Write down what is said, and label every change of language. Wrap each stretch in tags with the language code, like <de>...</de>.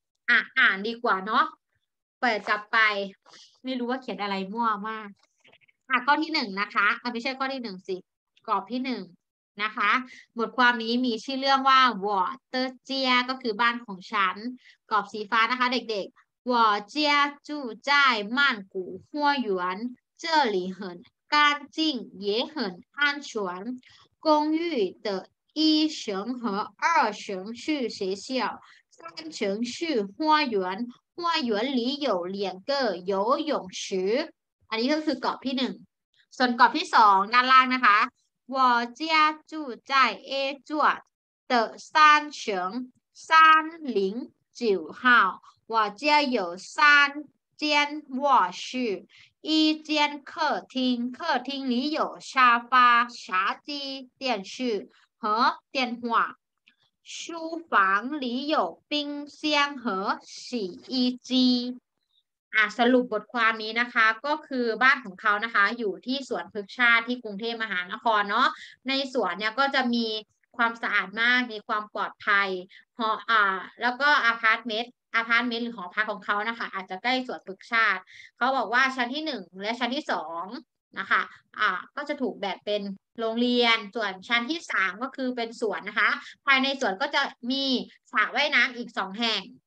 <th>อ่ะอ่านดีกว่าเนาะเปิดกลับไปไม่รู้ว่าเขียนอะไรมั่วมากอ่ะข้อที่หนึ่งนะคะไม่ใช่ข้อที่หนึ่งสิกรอบที่หนึ่งนะคะบทความนี้มีชื่อเรื่องว่าวอเตอร์เจียก็คือบ้านของฉันกรอบสีฟ้านะคะเด็กๆ</th> <zh>我家住在曼谷花园，这里很干净，也很安全。公寓的一层和二层是学校，三层是花园。花园里有两个游泳池。</zh> <th>อันนี้ก็คือกรอบที่หนึ่งส่วนกรอบที่สองด้านล่างนะคะ</th> <zh>我家住在 A 座的三层三零九号我家有三间卧室，一间客厅，客厅里有沙发、茶几、电视和电话。书房里有冰箱和洗衣机。</zh> <th>สรุปบทความนี้นะคะก็คือบ้านของเขานะคะอยู่ที่สวนพฤกษาที่กรุงเทพมหานครเนาะในสวนเนี่ยก็จะมีความสะอาดมากมีความปลอดภัยหอแล้วก็อพาร์ตเมนต์หรือหอพักของเขานะคะอาจจะใกล้สวนพฤกษาเขาบอกว่าชั้นที่1และชั้นที่2นะคะก็จะถูกแบ่งเป็นโรงเรียนส่วนชั้นที่3ก็คือเป็นสวนนะคะภายในสวนก็จะมีสระว่ายน้ำอีก2แห่ง</th>